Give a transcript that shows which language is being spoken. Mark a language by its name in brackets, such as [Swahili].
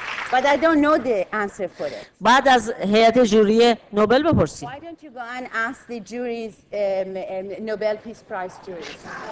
[English] But I don't know the answer for it. [Persian] بعد از هیئت جوری نوبل بپرسی. [English] Why don't you go and ask the juries, Nobel Peace Prize juries?